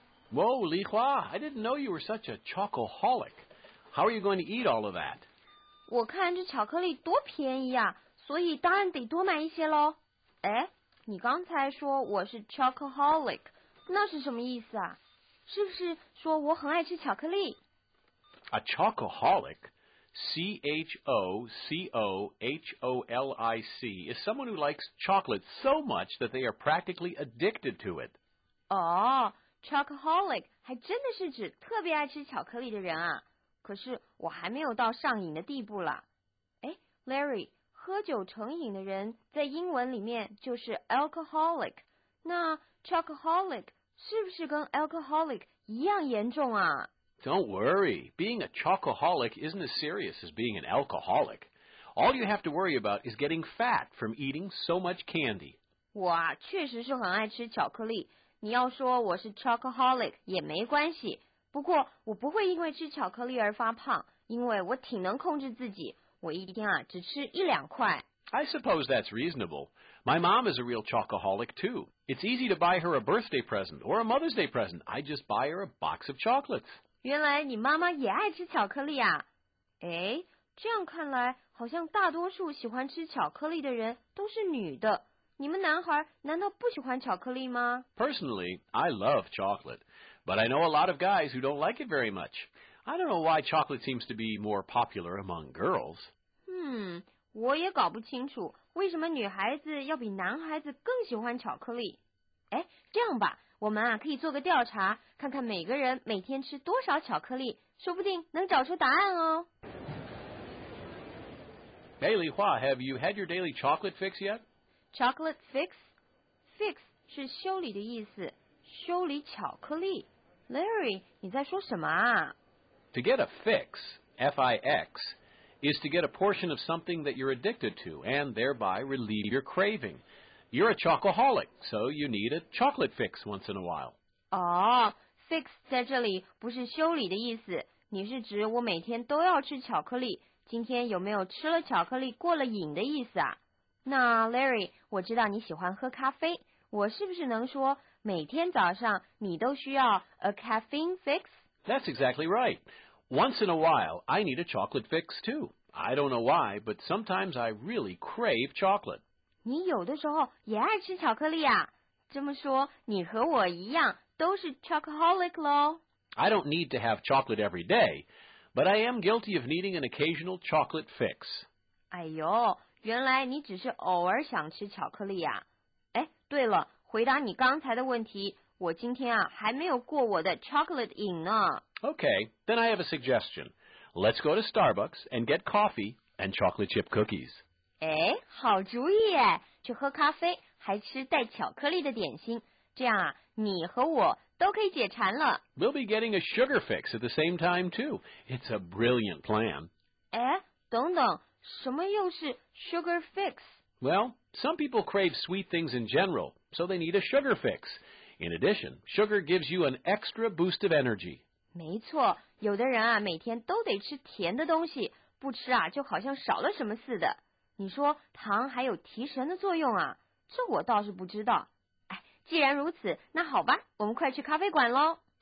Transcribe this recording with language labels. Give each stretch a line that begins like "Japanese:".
English: Whoa, Li Hua, I didn't know you were such a chocoholic. How are you going to eat all of that?
Chinese: 我看这巧克力多便宜啊，所以当然得多买一些咯。哎，你刚才说我是 chocoholic, 那是什么意思啊？是不是说我很爱吃巧克力？
English: A chocoholic, C-H-O-C-O-H-O-L-I-C, is someone who likes chocolate so much that they are practically addicted to it.
Chinese: Oh,Chocoholic 还真的是指特别爱吃巧克力的人啊，可是我还没有到上瘾的地步了。哎 ，Larry， 喝酒成瘾的人在英文里面就是 alcoholic， 那 chocoholic 是不是跟 alcoholic 一样严重啊
English: ？Don't worry, being a chocoholic isn't as serious as being an alcoholic. All you have to worry about is getting fat from eating so much candy.
Chinese: 我啊，确实是很爱吃巧克力。你要说我是 chocoholic 也没关系，不过我不会因为吃巧克力而发胖，因为我挺能控制自己，我一天啊只吃一两块。
English: I suppose that's reasonable. My mom is a real chocoholic too. It's easy to buy her a birthday present or a Mother's Day present. I just buy her a box of chocolates.
Chinese: 原来你妈妈也爱吃巧克力啊？哎，这样看来，好像大多数喜欢吃巧克力的人都是女的。你们男孩难道不喜欢巧克力吗
English: ？Personally, I love chocolate, but I know a lot of guys who don't like it very much. I don't know why chocolate seems to be more popular among girls.
Chinese: 我也搞不清楚为什么女孩子要比男孩子更喜欢巧克力。哎，这样吧，我们啊可以做个调查，看看每个人每天吃多少巧克力，说不定能找出答案哦。
English: Hey, Li Hua, have you had your daily chocolate fix yet?
Chinese: Chocolate fix? Fix 是修理的意思，修理巧克力。 Larry, 你在说什么啊？
English: To get a fix, F-I-X, is to get a portion of something that you're addicted to and thereby relieve your craving. You're a chocoholic, so you need a chocolate fix once in a while.
Chinese: Oh, fix 在这里不是修理的意思，你是指我每天都要吃巧克力，今天有没有吃了巧克力过了瘾的意思啊？那 Larry， 我知道你喜欢喝咖啡，我是不是能说每天早上你都需要
English: a caffeine fix？ That's exactly right. Once in a while, I need a chocolate fix too. I don't know why, but sometimes I really crave chocolate.
Chinese: 你有的时候也爱吃巧克力啊？这么说，你和我一样都是 chocoholic 咯。
English: I don't need to have chocolate every day, but I am guilty of needing an occasional chocolate fix.
Chinese: 哎呦。原来你只是偶尔想吃巧克力呀、啊。哎，对了，回答你刚才的问题，我今天啊还没有过我的 chocolate 瘾呢。
English: Okay, then I have a suggestion. Let's go to Starbucks and get coffee and chocolate chip cookies.
Chinese: 哎，好主意耶！去喝咖啡，还吃带巧克力的点心，这样啊，你和我都可以解馋了。
English: We'll be getting a sugar fix at the same time too. It's a brilliant plan.
Chinese: 哎，等等，什么又是 sugar fix？
English: Well, some people crave sweet things in general, so they need a sugar fix. In addition, sugar gives you an extra boost of energy.
Chinese: 没错，有的人啊，每天都得吃甜的东西，不吃啊，就好像少了什么似的。你说糖还有提神的作用啊？这我倒是不知道。哎，既然如此，那好吧，我们快去咖啡馆喽。